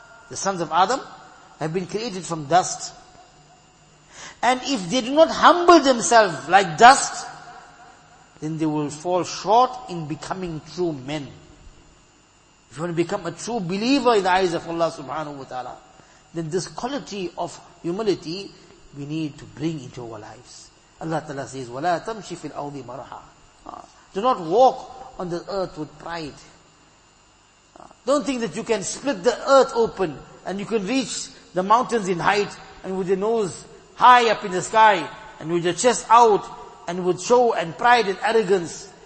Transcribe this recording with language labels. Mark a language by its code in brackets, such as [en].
[en] The sons of Adam have been created from dust. And if they do not humble themselves like dust, then they will fall short in becoming true men. If you want to become a true believer in the eyes of Allah subhanahu wa ta'ala, then this quality of humility we need to bring into our lives. Allah ta'ala says, [ar] وَلَا تَمْشِ فِي الْأَوْضِ مَرَحَى. [en] Do not walk on the earth with pride. Don't think that you can split the earth open and you can reach the mountains in height and with your nose high up in the sky and with your chest out and with show and pride and arrogance.